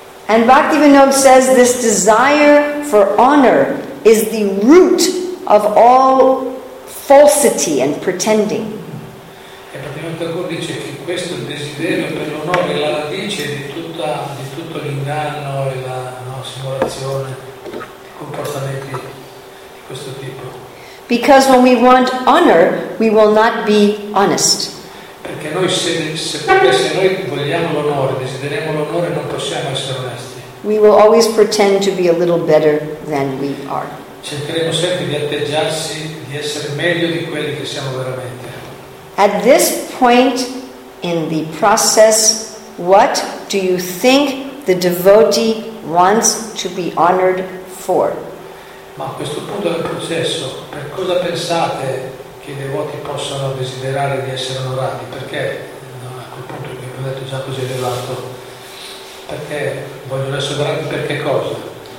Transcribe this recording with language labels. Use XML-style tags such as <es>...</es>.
<en>And Bhaktivinoda says this desire for honor is the root of all falsity and pretending.</en> <it>E Bhaktivinoda dice che questo desiderio per l'onore è la radice di tutto l'inganno e la simulazione. Comportamenti di questo tipo.</it> <en>Because when we want honor, we will not be honest.</en> <it>Perché noi se noi vogliamo l'onore, desideriamo l'onore, non possiamo essere onesti.</it> <en>We will always pretend to be a little better than we are.</en> <it>Cercheremo sempre di atteggiarsi di essere meglio di quelli che siamo veramente.</it> <en>At this point in the process, what do you think the devotee wants to be honored for?</en> <it>Ma a questo punto del processo, per cosa pensate che i devoti possano desiderare di essere onorati? Perché no, a quel punto che ho detto già così elevato, perché vogliono essere onorati per che cosa?</it>